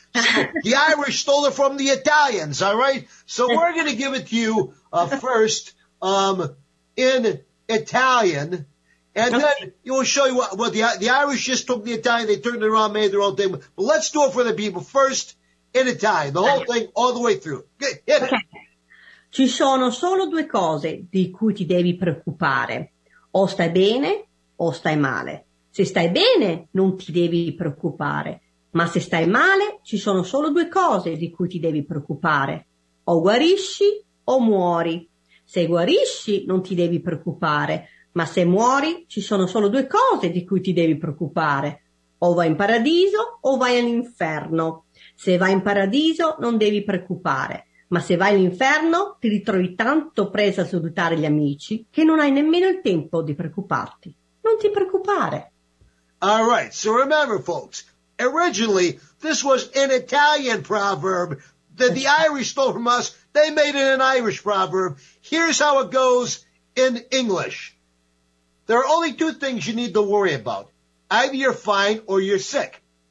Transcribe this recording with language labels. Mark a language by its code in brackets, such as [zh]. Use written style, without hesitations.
[en] So the Irish stole it from the Italians. All right, so we're gonna give it to you first in Italian, and then we'll show you what the Irish just took the Italian. They turned it around, made their own thing. But let's do it for the people first in Italian, the whole thing all the way through. Hit it. [it] Ci sono solo due cose di cui ti devi preoccupare. O stai bene o stai male. Se stai bene, non ti devi preoccupare. Ma se stai male, ci sono solo due cose di cui ti devi preoccupare. O guarisci o muori. Se guarisci, non ti devi preoccupare. Ma se muori, ci sono solo due cose di cui ti devi preoccupare. O vai in paradiso o vai all'inferno. Se vai in paradiso, non devi preoccupare. Ma se vai all'inferno, ti ritrovi tanto presa a salutare gli amici che non hai nemmeno il tempo di preoccuparti. Non ti preoccupare. [en] All right, so remember, folks. Originally, this was an Italian proverb that the Irish stole from us. They made it an Irish proverb. Here's how it goes in English. There are only two things you need to worry about. Either you're fine or you're sick.